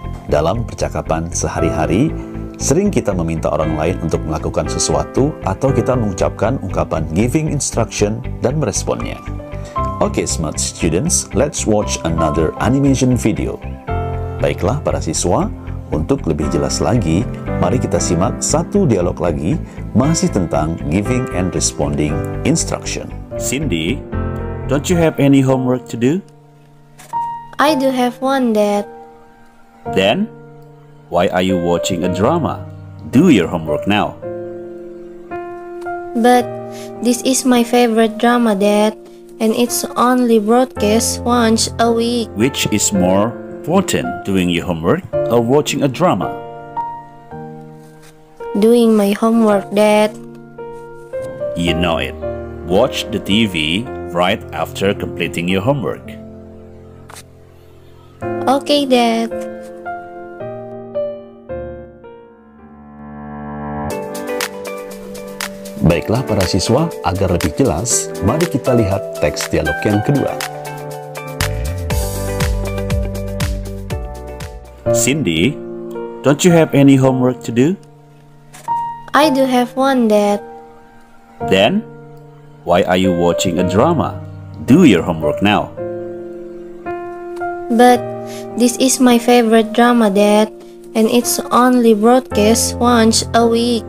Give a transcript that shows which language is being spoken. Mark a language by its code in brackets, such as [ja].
[id] Dalam percakapan sehari-hari, sering kita meminta orang lain untuk melakukan sesuatu atau kita mengucapkan ungkapan giving instruction dan meresponnya. [en] Okay, smart students, let's watch another animation video. [id] Baiklah, para siswa, untuk lebih jelas lagi, mari kita simak satu dialog lagi masih tentang giving and responding instruction. [en] Cindy, don't you have any homework to do? I do have one, Dad. Then, why are you watching a drama? Do your homework now. But this is my favorite drama, Dad. And it's only broadcast once a week. Which is more important, doing your homework or watching a drama? Doing my homework, Dad. You know it. Watch the TV right after completing your homework. Okay, Dad. [id] Baiklah, para siswa, agar lebih jelas, mari kita lihat teks dialog yang kedua. [en] Cindy, don't you have any homework to do? I do have one, Dad. Then, why are you watching a drama? Do your homework now. But this is my favorite drama, Dad, and it's only broadcast once a week.